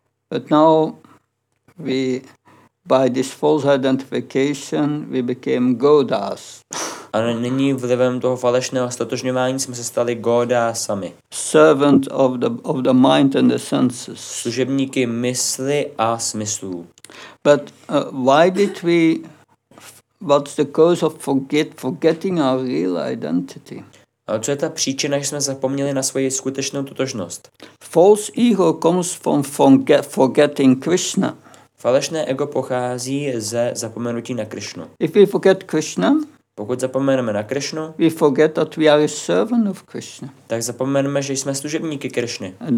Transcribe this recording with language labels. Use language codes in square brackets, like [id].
[en] But now we, by this false identification, we became Godas. [cs] A nyní vlivem toho falešného stotožňování jsme se stali Godasami. [en] Servant of the mind and the senses. [cs] Služebníky mysli a smyslů. [en] But why did we? What's the cause of forgetting our real identity? [cs] A co je ta příčina, že jsme zapomněli na svoji skutečnou totožnost? [en] False ego comes from forgetting Krishna. [cs] Falešné ego pochází ze zapomenutí na Krishnu. [en] If we forget Krishna, [cs] pokud zapomeneme na Krishnu, [en] we forget that we are a servant of Krishna. [cs] Tak zapomeneme, že jsme služebníky Krishny.